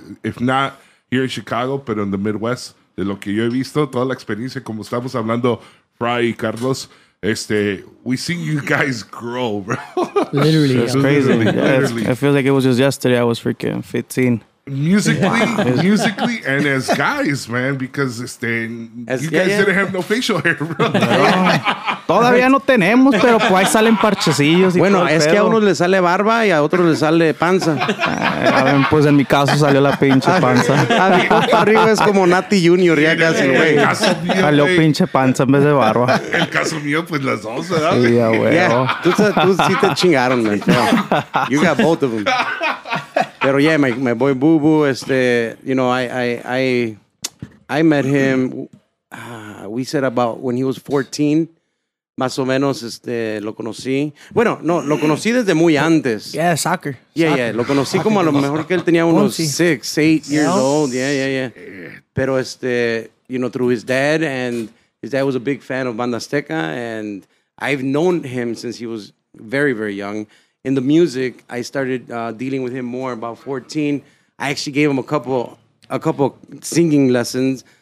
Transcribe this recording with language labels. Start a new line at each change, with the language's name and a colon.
English: If not here in Chicago, but in the Midwest,
Spanish: de lo que yo he visto, toda la experiencia, como estamos hablando, Fry y Carlos,
English: we see you guys grow, bro. Literally. It's crazy. Literally. Yeah, it feels like it was just yesterday. I was freaking 15. Musically, and as guys, man, because didn't have no facial hair, bro.
Spanish: Todavía no tenemos, pero pues ahí salen parchecillos. Bueno, es que a unos les sale barba y a otros les sale panza. Pues en mi caso salió la pinche panza. A mi compa arriba es como Nati Junior, ya casi, güey. Salió pinche panza en vez de barba. El caso mío, pues las dos, ¿verdad? Sí, ya, güey. Tú sí te chingaron,
English: man. You got both of them. Pero yeah, my boy Bubu, you know, I met him, we said about when he was 14,
Spanish: más o menos, lo conocí. Bueno, no, lo conocí desde muy antes.
English: Yeah, soccer.
Spanish: Yeah, lo conocí soccer. Como a lo mejor que él tenía unos 6, 8
English: years old. Yeah. Pero you know, through his dad was a big fan of Banda Azteca, and I've known him since he was very, very young. In the music, I started dealing with him more about 14. I actually gave him a couple singing lessons.